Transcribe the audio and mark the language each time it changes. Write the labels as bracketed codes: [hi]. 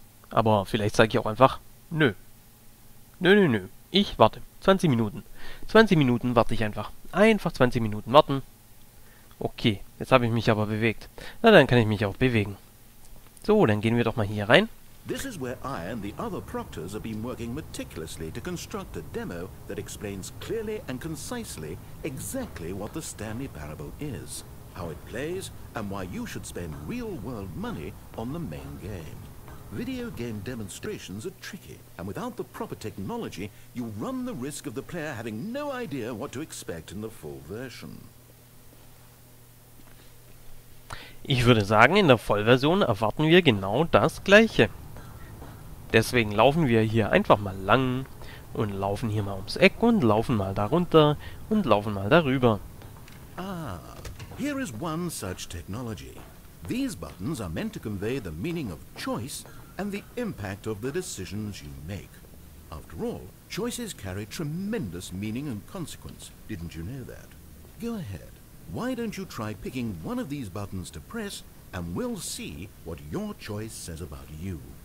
[de] Aber vielleicht sage ich auch einfach, nö. Nö, nö, nö. Ich warte. 20 Minuten. 20 Minuten warte ich einfach. Einfach 20 Minuten warten. Okay, jetzt habe ich mich aber bewegt. Na, dann kann ich mich auch bewegen. So, dann gehen wir doch mal hier rein. [en] This is where I and the other proctors have been working meticulously to construct a demo that explains clearly and concisely exactly what the Stanley Parable is, how it plays, and why you should spend real-world money on the main game. Video game demonstrations are tricky, and without the proper technology, you run the risk of the player having no idea what to expect in the full version. [de] Ich würde sagen, in der Vollversion erwarten wir genau das Gleiche. Deswegen laufen wir hier einfach mal lang und laufen hier mal ums Eck und laufen mal darunter und laufen mal darüber. [en] Ah, here is one such technology. These buttons are meant to convey the meaning of choice and the impact of the decisions you make. After all, choices carry tremendous meaning and consequence. Didn't you know that? Go ahead. Why don't you try picking one of these buttons to press and we'll see what your choice says about you.